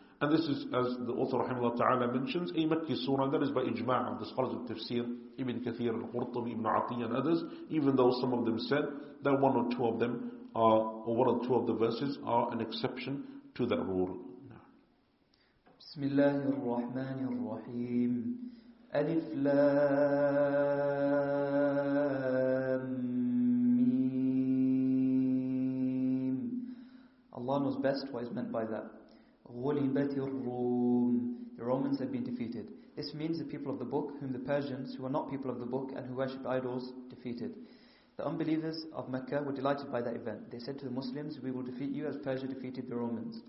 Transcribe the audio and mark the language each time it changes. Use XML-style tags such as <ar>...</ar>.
<en>And this is, as the author, rahimahullah ta'ala, mentions, a Makki surah, that is by ijma' of the scholars of tafsir, Ibn Kathir al-Qurtubi, Ibn Atiyah, and others, even though some of them said that one or two of them are, or one or two of the verses are an exception to that rule.</en> <ar>بسم الله الرحمن الرحيم ألف لام ميم.</ar> <en>Allah knows best what is meant by that.</en> <ar>غلبت الروم.</ar> <en>The Romans have been defeated. This means the people of the book, whom the Persians, who are not people of the book and who worship idols, defeated. The unbelievers of Mecca were delighted by that event. They said to the Muslims, "We will defeat you as Persia defeated the Romans."</en>